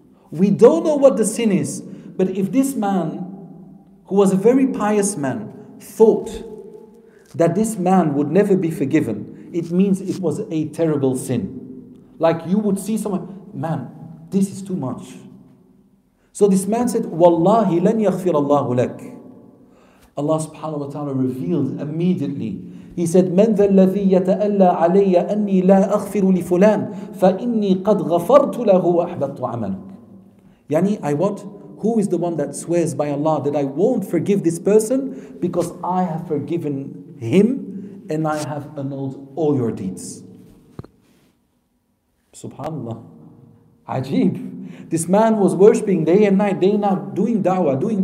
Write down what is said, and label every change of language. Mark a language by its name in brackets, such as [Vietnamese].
[English] We don't know what the sin is, but if this man, who was a very pious man, thought that this man would never be forgiven, it means it was a terrible sin. Like you would see someone, man, this is too much. So this man said, [Arabic] wallahi lan yaghfir Allahu lak. [English] Allah subhanahu wa ta'ala revealed immediately. He said, [Arabic] مَنْ ذَا الَّذِي يَتَأَلَّى عَلَيَّ أَنِّي لَا أَغْفِرُ لِفُلَانِ فَإِنِّي قَدْ غَفَرْتُ لَهُ وَأَحْبَطُ عَمَلُكَ. [English] Yani, I what? Who is the one that swears by Allah that I won't forgive this person because I have forgiven him and I have annulled all your deeds? Subhanallah. Ajib. This man was worshipping day and night, day and night, doing da'wah.